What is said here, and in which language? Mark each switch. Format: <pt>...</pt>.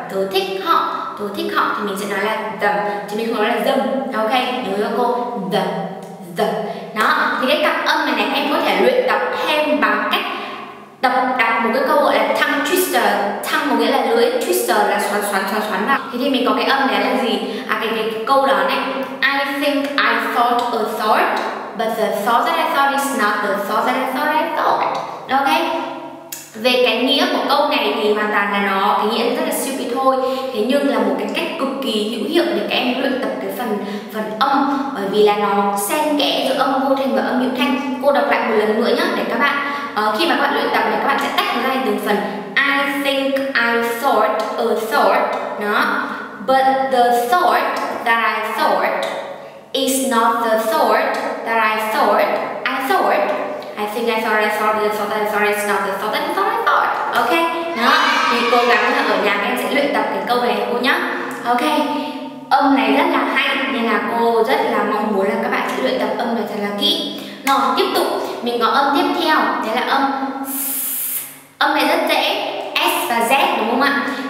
<vi>Tôi thích họ, tôi thích họ thì mình sẽ nói là dầm, chứ mình không nói là dâm. Ok, nhớ cho cô, dầm, dầm. Đó, thì cái cặp âm này này em có thể luyện tập thêm bằng cách đọc đặt một cái câu gọi là tongue twister. Tongue có nghĩa là lưỡi, twister là xoắn xoắn xoắn xoắn vào. Thế thì mình có cái âm này là gì? À, cái câu đó này,</vi> <en>I think I thought a thought, but the thought that I thought is not the thought that I thought I thought.</en> <vi>Ok, về cái nghĩa của câu này thì hoàn toàn là nó cái nghĩa rất là stupid thôi. Thế nhưng là một cái cách cực kỳ hữu hiệu để các em luyện tập cái phần âm, bởi vì là nó xen kẽ giữa âm vô thanh và âm hữu thanh. Cô đọc lại một lần nữa nhé, để các bạn khi mà các bạn luyện tập thì các bạn sẽ tách ra từng phần.</vi> <en>I think I thought a thought,</en> <vi>đó.</vi> <en>But the thought that I thought is not the thought that I thought I thought. I think I thought I thought the thought that I thought is not the thought that I thought I thought.</en> <vi>Ok, đó. Thì cố gắng là ở nhà em sẽ luyện tập cái câu này cô nhá. Ok, âm này rất là hay nên là cô rất là mong muốn là các bạn sẽ luyện tập âm này thật là kỹ. Rồi, tiếp tục mình có âm tiếp theo, đấy là âm âm này rất dễ, S và Z đúng không ạ?</vi>